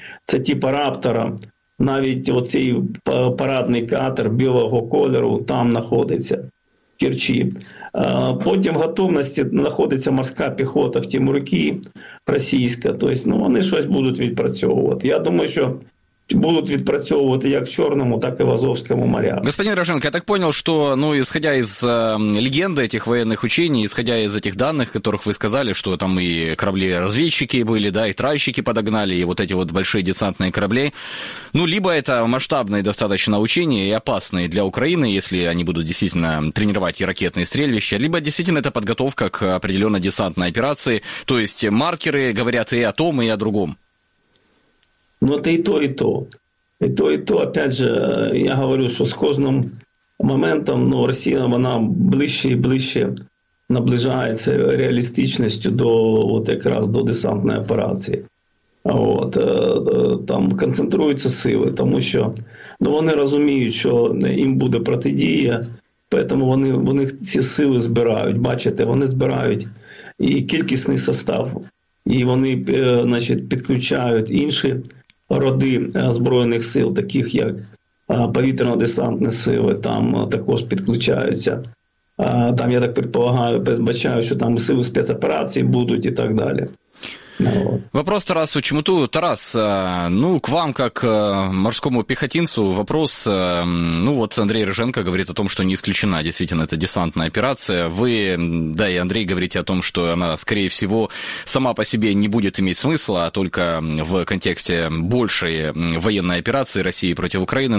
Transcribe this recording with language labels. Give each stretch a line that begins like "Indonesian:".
Ukrainian: Це типа «Раптора». Навіть оцей парадний катер білого кольору там знаходиться, в Керчі. Потім в готовності знаходиться морська піхота в Тимурки, російська. Тобто вони щось будуть відпрацьовувати. Я думаю, що будуть відпрацьовувати як в Чорному, так і в Азовському морях.
Russian: Господин Рошенко, я так понял, что, исходя из легенды этих военных учений, исходя из этих данных, которых вы сказали, что там и корабли-разведчики были, да, и тральщики подогнали, и вот эти вот большие десантные корабли, либо это масштабные достаточно учения и опасные для Украины, если они будут действительно тренировать и ракетные стрельбища, либо действительно это подготовка к определенной десантной операции, то есть маркеры говорят и о том, и о другом.
Ukrainian: Ну, це і то, і то. І то, і то.
Russian: Опять же,
Ukrainian: я говорю, що з кожним моментом Росія, вона ближче і ближче наближається реалістичністю до от якраз до десантної операції. От, там концентруються сили, тому що ну, вони розуміють, що їм буде протидія, тому вони ці сили збирають. Бачите, вони збирають і кількісний состав, і вони значить, підключають інші роди Збройних сил, таких як повітряно-десантні сили, там також підключаються. Там,
Russian: я так предполагаю,
Ukrainian: передбачаю, що там сили спецоперації будуть і так далі.
Russian: Вопрос Тарасу Чемуту. Тарас, ну, к вам, как к морскому пехотинцу, вопрос. Ну, вот Андрей Рыженко говорит о том, что не исключена действительно эта десантная операция. Вы, да, и Андрей говорите о том, что она, скорее всего, сама по себе не будет иметь смысла, а только в контексте большей военной операции России против Украины.